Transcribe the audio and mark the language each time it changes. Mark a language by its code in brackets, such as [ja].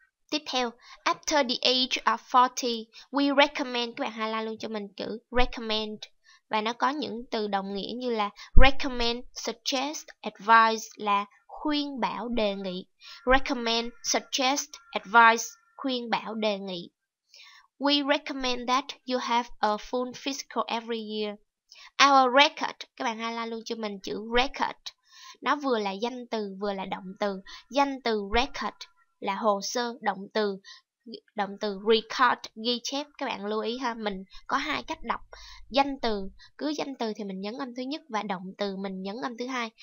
[vi] Tiếp theo, [en] after the age of 40, we recommend, [vi] các bạn highlight luôn cho mình chữ recommend. Và nó có những từ đồng nghĩa như là recommend, suggest, advise là khuyên bảo đề nghị. Recommend, suggest, advise, khuyên bảo đề nghị. [en] We recommend that you have a full physical every year. Our record, [vi] các bạn highlight luôn cho mình chữ record. Nó vừa là danh từ, vừa là động từ. Danh từ record là hồ sơ, động từ record, ghi chép. Các bạn lưu ý ha, mình có hai cách đọc danh từ. Cứ danh từ thì mình nhấn âm thứ nhất và động từ mình nhấn âm thứ hai.